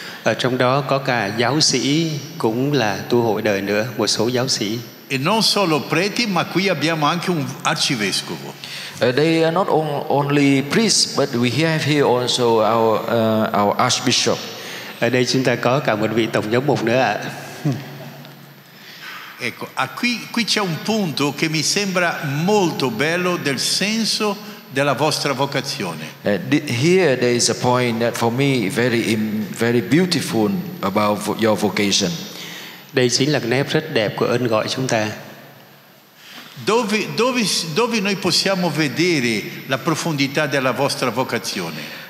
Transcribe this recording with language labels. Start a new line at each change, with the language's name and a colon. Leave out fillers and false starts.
Vietnamese: Ở trong đó có cả giáo sĩ cũng là tu hội đời nữa, một số giáo sĩ.
Italian: E non solo preti, ma qui abbiamo anche un arcivescovo.
English: They are not only priests, but we have here also our archbishop.
Vietnamese: Ở đây chúng ta có cả một vị tổng giám mục nữa ạ.
Italian: Ecco, qui c'è un punto che mi sembra molto bello del senso della vostra vocazione.
English: Here there is a point that for me very very beautiful about your vocation.
Vietnamese: Đây chính là nét rất đẹp của ơn gọi chúng ta.
Italian: Dove noi possiamo vedere la profondità della vostra vocazione?